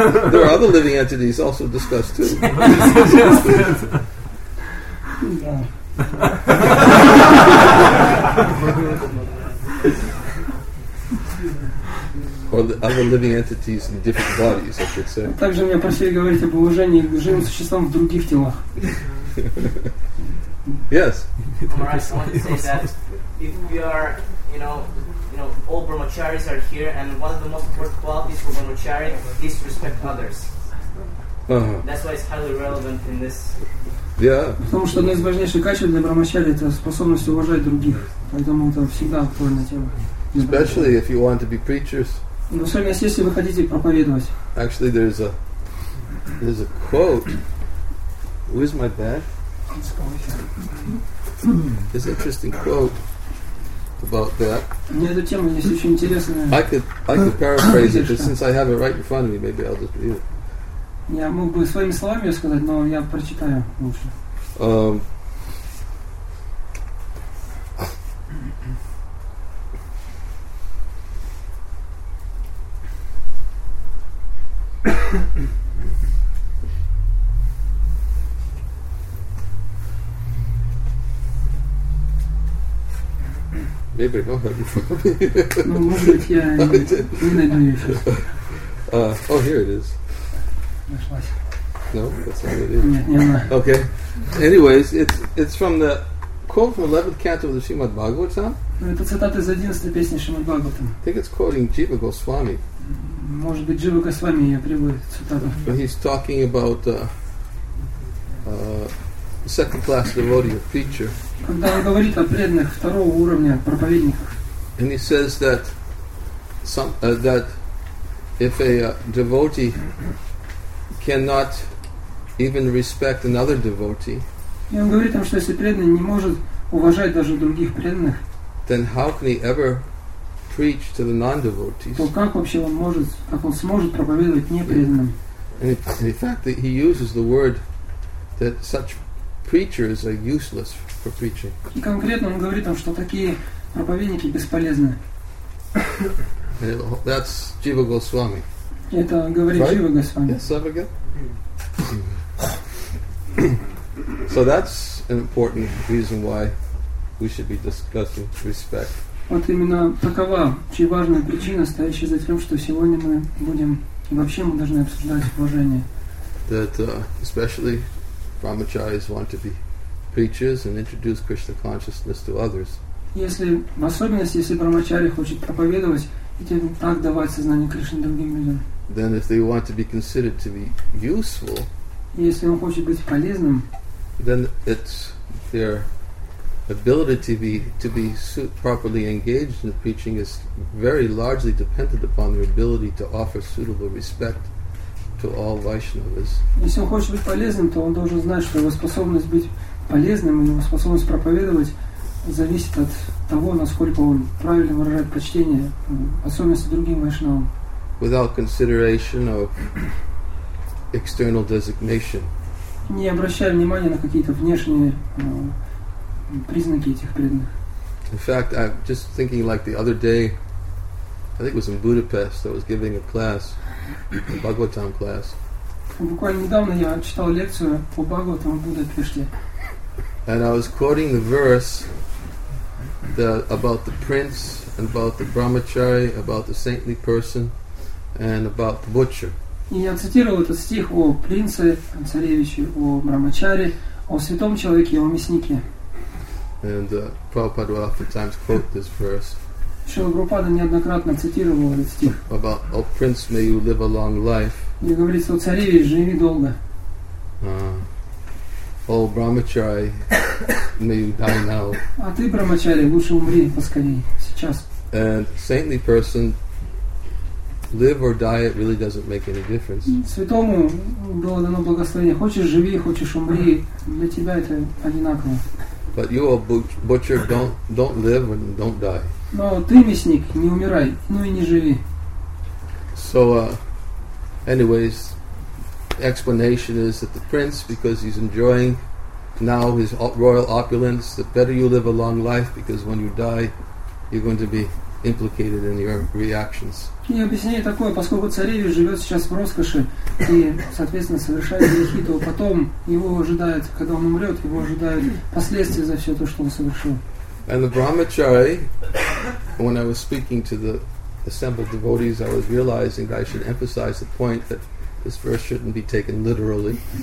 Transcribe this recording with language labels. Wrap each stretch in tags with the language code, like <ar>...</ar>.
<en>There are other living entities also discussed too. Or the other living entities in different bodies, I should say.</en> <ru>Также меня просили говорить об уважении к живым существам в других телах.</ru> <en>Yes. Maharaj, I want to say that if we are, you know, all brahmacharis are here, and one of the most important qualities for brahmachari is to respect others. Uh-huh. That's why it's highly relevant in this. Yeah.</en> <ru>Потому что одно из важнейших качеств для брахмачари это способность уважать других. Поэтому это всегда актуальная тема.</ru> <en>Especially if you want to be preachers.</en> <ru>Но с вами, если вы хотите проповедовать.</ru> <en>Actually, there's a quote. Where's my bag? It's an interesting quote about that.</en> <ru>На эту тему есть очень интересная.</ru> <en>I could paraphrase it, but since I have it right in front of me, maybe I'll just read it.</en> <ru>Я мог бы своими словами ее сказать, но я прочитаю лучше. Я приехал. Ну, может, я не найду ее сейчас.</ru> <en>Oh, here it is.</en> <ru>Нашлась.</ru> <en>No, that's not what it is.</en> <ru>Нет, не она.</ru> <en>Okay. Anyways, it's from the quote from 11th canto of the Srimad Bhagavatam.</en> <ru>Это цитата из 11-й песни Шримад Бхагаватам.</ru> <en>I think it's quoting Jiva Goswami.</en> <ru>Может быть, Джива Госвами я приводит цитату.</ru> <en>But he's talking about second class devotee, a preacher.</en> <ru>Когда он говорит о преданных второго уровня, проповедниках.</ru> <en>And he says that that if a devotee cannot even respect another devotee.</en> <ru>И он говорит там, что если преданный не может уважать даже других преданных,</ru> <en>then how can he ever preach to the non-devotees?</en> <ru>То как вообще он может, как он сможет проповедовать непреданным?</ru> <en>And the fact that he uses the word that such preachers are useless for preaching.</en> <ru>И конкретно он говорит там, что такие проповедники бесполезны.</ru> <en>That's Jiva Goswami.</en> <ru>Это говорит</ru> <en>right? Jiva Goswami. Yes, ever again. So that's an important reason why we should be discussing respect.</en> <ru>Вот именно такова очень важная причина, стоящая за тем, что сегодня мы будем и вообще мы должны обсуждать уважение.</ru> <en>That especially brahmacharis want to be preachers and introduce Krishna consciousness to others.</en> <ru>Если в особенности, если брахмачари хочет проповедовать и тем так давать сознание Кришны другим людям.</ru> <en>Then if they want to be considered to be useful.</en> <ru>Если он хочет быть полезным.</ru> <en>Then it's their ability to be properly engaged in the preaching is very largely dependent upon their ability to offer suitable respect to all Vaishnavas.</en> <ru>Если он хочет быть полезным, то он должен знать, что его способность быть полезным и его способность проповедовать зависит от того, насколько он правильно выражает почтение, особенности другим Вайшнавам.</ru> <en>Without consideration of external designation.</en> <ru>Не обращая внимания на какие-то внешние признаки этих преданных.</ru> <en>In fact, I'm just thinking like the other day, I think it was in Budapest, I was giving a class, a Bhagavatam class.</en> <ru>Буквально недавно я читал лекцию по Бхагаватам в Будапеште.</ru> <en>And I was quoting the verse about the prince, about the brahmachari, about the saintly person, and about the butcher.</en> <ru>И я цитировал этот стих о принце, о царевиче, о брахмачаре, о святом человеке, о мяснике.</ru> <en>And Prabhupada oftentimes quote this verse.</en> <ru>Шрила Прабхупада неоднократно цитировал этот стих.</ru> <en>About, oh prince, may you live a long life.</en> <ru>И говорится, о царевич, живи долго. О брахмачари,</ru> <en>may you die now.</en> <ru>А ты, брахмачари, лучше умри поскорее, сейчас.</ru> <en>And saintly person, live or die, it really doesn't make any difference.</en> <ru>Святому было дано благословение. Хочешь живи, хочешь умри, для тебя это одинаково.</ru> <en>But you, a butcher, don't live and don't die.</en> <ru>Но ты мясник, не умирай, ну и не живи.</ru> <en>So, anyways, explanation is that the prince, because he's enjoying now his royal opulence, the better you live a long life, because when you die, you're going to be implicated in your reactions.</en> <ru>И объяснение такое, поскольку царевич живет сейчас в роскоши и, соответственно, совершает грехи, то потом его ожидает, когда он умрет, его ожидают последствия за все то, что он совершил.</ru> <en>And the brahmachari, when I was speaking to the assembled devotees, I was realizing that I should emphasize the point that this verse shouldn't be taken literally.</en>